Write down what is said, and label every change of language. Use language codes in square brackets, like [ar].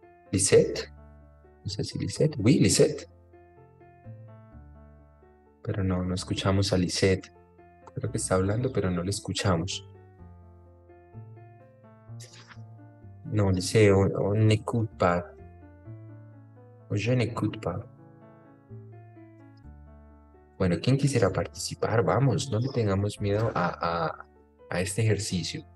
[es] ¿Lisette? No sé si Lisette. Oui, Lisette. Pero no escuchamos a Lisette. Creo que está hablando, pero no le escuchamos. [fr] No, Lisette, on n'écoute pas. Je n'écoute pas. [es] Bueno, ¿quién quisiera participar? Vamos, no le tengamos miedo a este ejercicio.